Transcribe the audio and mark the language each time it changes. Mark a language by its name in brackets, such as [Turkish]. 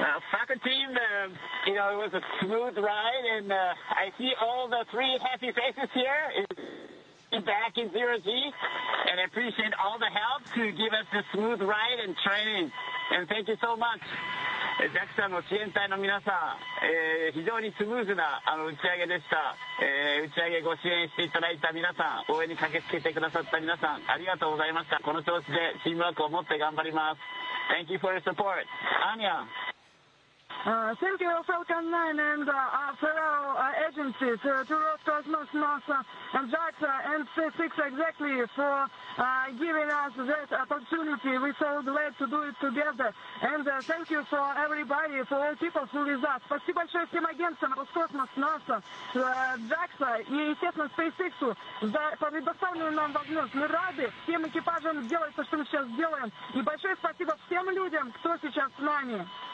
[English] Falcon team, it was a smooth ride, and I see all the three happy faces here back in zero-G, and I appreciate all the help to give us this smooth ride and training, and thank you so much. [Japanese] JAXA の支援隊の皆さん、非常にスムーズな打ち上げでした。打ち上げご支援していただいた皆さん、応援に駆けつけてくださった皆さん、ありがとうございました。この調子でチームワークを持って頑張ります。 [English] Thank you for your support. Anya. Thank you, Falcon 9 and several agencies, Roscosmos, NASA, and JAXA and SpaceX exactly for giving us that opportunity. We're so glad to do it together. And thank you for everybody, for all people who are with us. [Russian] Спасибо большое всем агентствам, Роскосмос, NASA, JAXA и, естественно, SpaceX за предоставленную нам возможность. Мы рады всем экипажам делать то, что мы сейчас делаем. И большое спасибо всем людям, кто сейчас с нами.